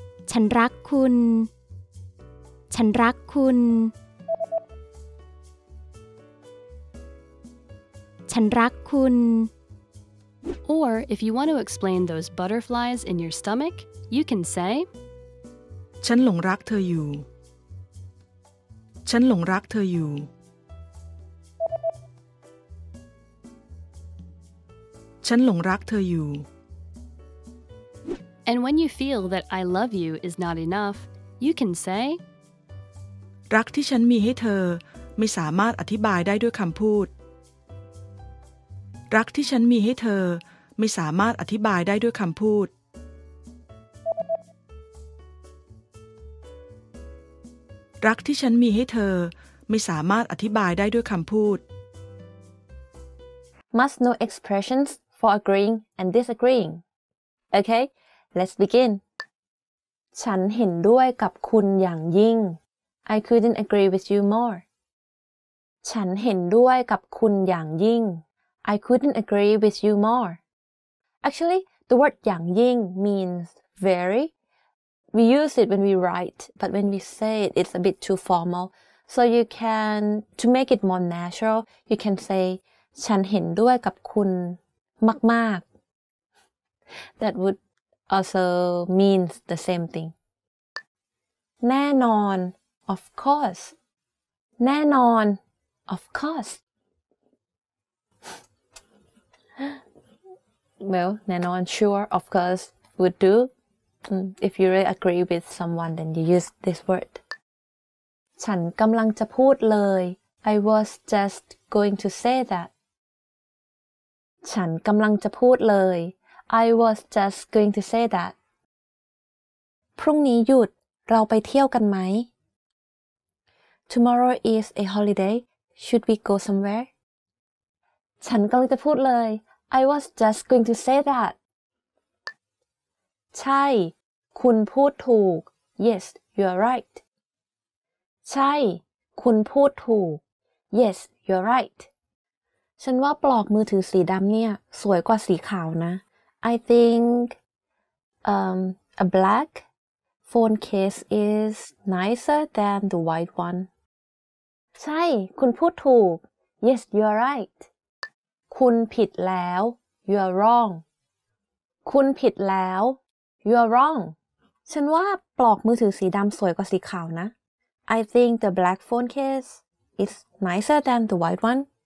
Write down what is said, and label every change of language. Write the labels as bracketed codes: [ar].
[th] ฉันรักคุณ ฉันรักคุณ ฉันรักคุณ [en] Or if you want to explain those butterflies in your stomach, you can say [th] ฉันหลงรักเธออยู่ ฉันหลงรักเธออยู่ ฉันหลงรักเธออยู่ [en] And when you feel that I love you is not enough, you can say [th] รักที่ฉันมีให้เธอไม่สามารถอธิบายได้ด้วยคำพูดรักที่ฉันมีให้เธอไม่สามารถอธิบายได้ด้วยคำพูดรักที่ฉันมีให้เธอไม่สามารถอธิบายได้ด้วยคำพูด [en] Must know expressions for agreeing and disagreeing. Okay? Let's begin. [th] ฉันเห็นด้วยกับคุณอย่างยิ่ง [en] I couldn't agree with you more. [th] ฉันเห็นด้วยกับคุณอย่างยิ่ง [en] I couldn't agree with you more. Actually, the word อย่างยิ่ง means very. We use it when we write, but when we say it, it's a bit too formal. So you can, to make it more natural, you can say [th] ฉันเห็นด้วยกับคุณมากๆ [en] That wouldAlso means the same thing. แน่นอน of course. แน่นอน of course. Well, แน่นอน sure, of course would do. If you really agree with someone, then you use this word. [th] ฉันกำลังจะพูดเลย [en] I was just going to say that. [th] ฉันกำลังจะพูดเลย [en] I was just going to say that. [th] พรุ่งนี้หยุดเราไปเที่ยวกันไหม [en] Tomorrow is a holiday. Should we go somewhere? [th] ฉันกำลังจะพูดเลย [en] I was just going to say that. [th] ใช่คุณพูดถูก [en] Yes, you are right. [th] ใช่คุณพูดถูก [en] Yes, you are right. [th] ฉันว่าปลอกมือถือสีดำเนี่ยสวยกว่าสีขาวนะ [en] I think a black phone case is nicer than the white one. [th] ใช่คุณพูดถูก [en] Yes, you are right. [th] คุณผิดแล้ว [en] You are wrong. คุณผิดแล้ว You are wrong. [th] ฉันว่าปลอกมือถือสีดำสวยกว่าสีขาวนะ [en] I think the black phone case is nicer than the white one.